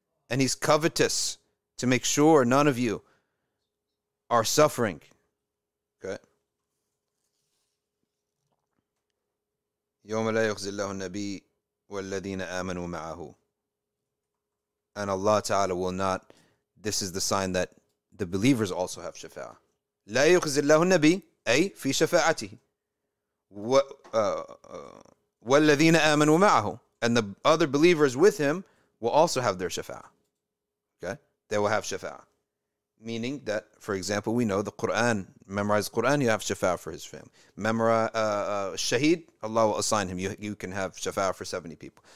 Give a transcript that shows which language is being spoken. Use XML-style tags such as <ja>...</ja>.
<en>And he's covetous to make sure none of you are suffering. Okay.</en> <ar>يَوْمَ لَا يُخْزِ اللَّهُ النَّبِيِّ وَالَّذِينَ آمَنُوا مَعَهُ.</ar> <en>And Allah Ta'ala will not. This is the sign that the believers also have shafa'ah.</en> <ar>لَا يُخْزِ اللَّهُ النَّبِيِّ أي في شفاعته. وَالَّذِينَ آمَنُوا مَعَهُ.</ar> <en>And the other believers with him will also have their shafa'ah. Okay? They will have shafa'ah. Meaning that, for example, we know the Qur'an, memorize the Qur'an, you have shafa'ah for his family. Shaheed, Allah will assign him. You can have shafa'ah for 70 people.</en>